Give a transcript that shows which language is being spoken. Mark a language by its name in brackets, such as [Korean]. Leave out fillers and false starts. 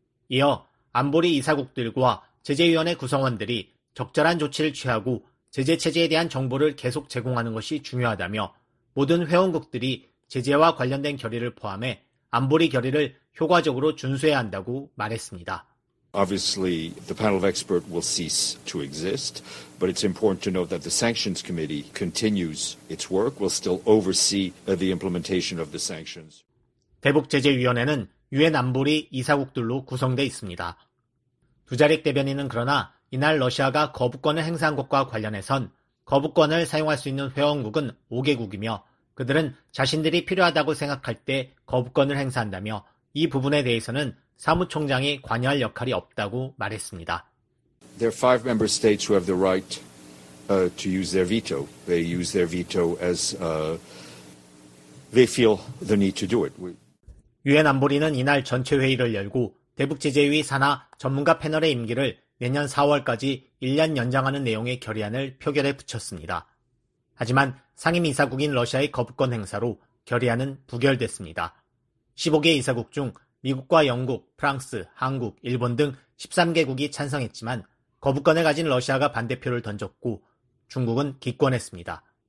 [Korean] 이어 안보리 이사국들과 제재위원회 구성원들이 적절한 조치를 취하고 제재체제에 대한 정보를 계속 제공하는 것이 중요하다며 모든 회원국들이 제재와 관련된 결의를 포함해 안보리 결의를 효과적으로 준수해야 한다고 말했습니다. [English] Obviously, the panel of experts will cease to exist, but it's important to note that the sanctions committee continues its work. We'll still oversee the implementation of the sanctions. [Korean] 대북제재위원회는 유엔 안보리 이사국들로 구성돼 있습니다. 두자릭 대변인은 그러나 이날 러시아가 거부권을 행사한 것과 관련해선 거부권을 사용할 수 있는 회원국은 5개국이며 그들은 자신들이 필요하다고 생각할 때 거부권을 행사한다며 이 부분에 대해서는 사무총장이 관여할 역할이 없다고 말했습니다. [English] There are five member states who have the right to use their veto. They use their veto as they feel the need to do it. [Korean] 유엔 안보리는 이날 전체 회의를 열고 대북제재위 산하 전문가 패널의 임기를 내년 4월까지 1년 연장하는 내용의 결의안을 표결에 붙였습니다. 하지만 상임이사국인 러시아의 거부권 행사로 결의안은 부결됐습니다. 15개 이사국 중 미국과 영국, 프랑스, 한국, 일본 등 13개국이 찬성했지만 거부권을 가진 러시아가 반대표를 던졌고 중국은 기권했습니다.